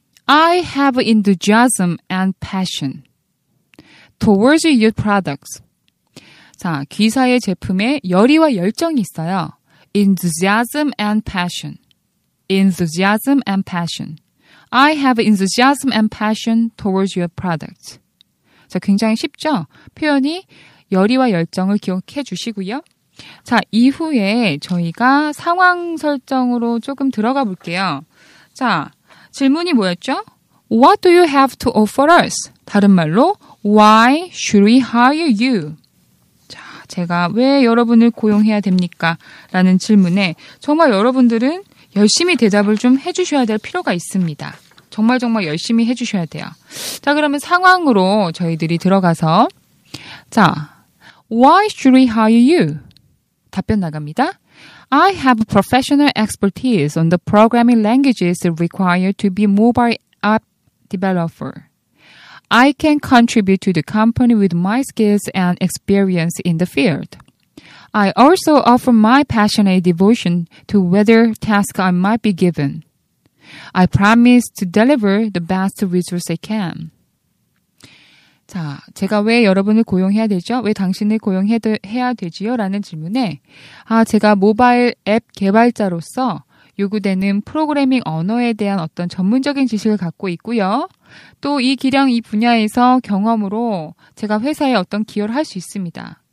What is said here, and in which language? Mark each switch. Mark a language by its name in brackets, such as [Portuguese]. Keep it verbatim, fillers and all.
[English] I have enthusiasm and passion towards your products. [Korean] 자, 기사의 제품에 열의와 열정이 있어요. [English] Enthusiasm and passion. Enthusiasm and passion. I have enthusiasm and passion towards your products. [Korean] 자, 굉장히 쉽죠? 표현이 열의와 열정을 기억해 주시고요. 자, 이후에 저희가 상황 설정으로 조금 들어가 볼게요. 자, 질문이 뭐였죠? [English] What do you have to offer us? [Korean] 다른 말로 [English] Why should we hire you? [Korean] 자, 제가 왜 여러분을 고용해야 됩니까? 라는 질문에 정말 여러분들은 열심히 대답을 좀 해주셔야 될 필요가 있습니다. 정말 정말 열심히 해주셔야 돼요. 자, 그러면 상황으로 저희들이 들어가서 자, [English] Why should we hire you? [Korean] 답변 나갑니다. [English] I have professional expertise on the programming languages required to be mobile app developer. I can contribute to the company with my skills and experience in the field. I also offer my passionate devotion to whatever task I might be given. I promise to deliver the best results I can. [Korean] 자, 제가 왜 여러분을 고용해야 되죠? 왜 당신을 고용해야 되지요? 라는 질문에 아, 제가 모바일 앱 개발자로서 요구되는 프로그래밍 언어에 대한 어떤 전문적인 지식을 갖고 있고요. 또 이 기량 이 분야에서 경험으로 제가 회사에 어떤 기여를 할 수 있습니다.